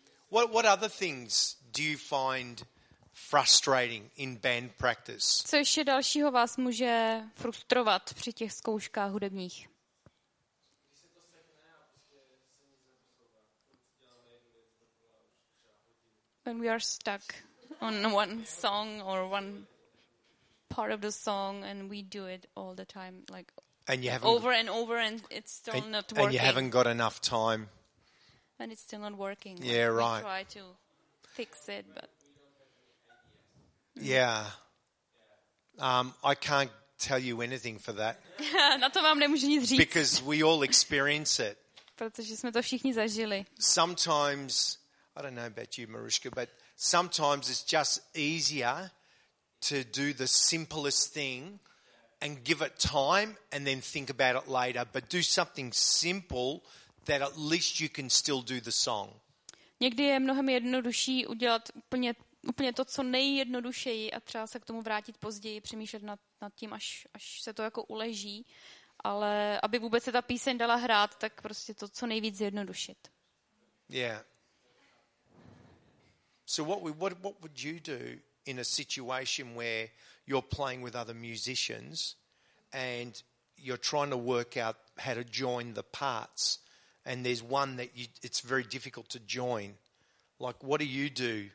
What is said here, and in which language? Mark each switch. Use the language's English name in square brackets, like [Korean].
[English] What other things do you find frustrating in band practice? [Czech] Co ještě dalšího vás může frustrovat při těch zkouškách hudebních? [English] When we are stuck on one song or one part of the song and we do it all the time like and you over and over and it's still and, not working. And you haven't got enough time. And it's still not working. Yeah, like, right. We try to fix it, but. Yeah. I can't tell you anything for that. [Czech] Na to vám nemůžu nic říct. [English] Because we all experience it. [Czech] Protože jsme to všichni zažili. [English] Sometimes, I don't know about you, Maruška, but sometimes it's just easier to do the simplest thing and give it time and then think about it later, but do something simple that at least you can still do the song. [Czech] Někdy je mnohem jednodušší udělat úplně to, co nejjednodušeji a třeba se k tomu vrátit později, přemýšlet nad tím, až se to jako uleží, ale aby vůbec se ta píseň dala hrát, tak prostě to, co nejvíc zjednodušit. [English] Yeah. So what would you do in a situation where you're playing with other musicians and you're trying to work out how to join the parts and there's one that you, it's very difficult to join. Like, what do you do?